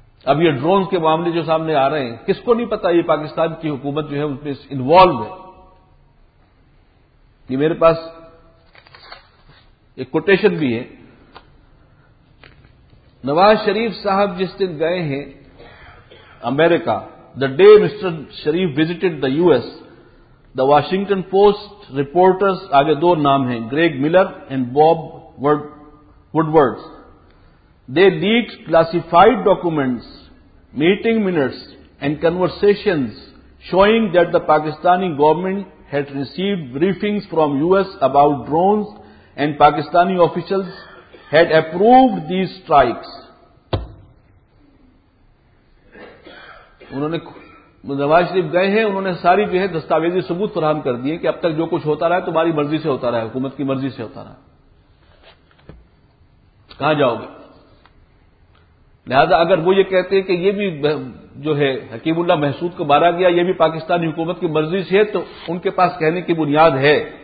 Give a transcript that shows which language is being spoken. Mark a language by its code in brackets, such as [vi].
[ur] اب یہ ڈرون کے معاملے جو سامنے آ رہے ہیں، کس کو نہیں پتا یہ پاکستان کی حکومت جو ہے اس میں انوالو ہے. یہ میرے پاس ایک کوٹیشن بھی ہے، نواز شریف صاحب جس دن گئے ہیں امریکہ، [en] The day Mr. Sharif visited the US, the Washington Post reporters, [ur] آگے دو نام ہیں، [en] Greg Miller and Bob Woodward. They leaked classified documents, meeting minutes and conversations showing that the Pakistani government had received briefings from US about drones and Pakistani officials had approved these strikes. [ur] انہوں نے نواز شریف گئے ہیں، انہوں نے ساری جو ہے دستاویزی ثبوت فراہم کر دیے کہ اب تک جو کچھ ہوتا رہا ہے تمہاری مرضی سے ہوتا رہا ہے، حکومت کی مرضی سے ہوتا رہا ہے، کہاں جاؤ گے. لہذا اگر وہ یہ کہتے ہیں کہ یہ بھی جو ہے حکیم اللہ محسود کو مارا گیا، یہ بھی پاکستانی حکومت کی مرضی سے ہے، تو ان کے پاس کہنے کی بنیاد ہے.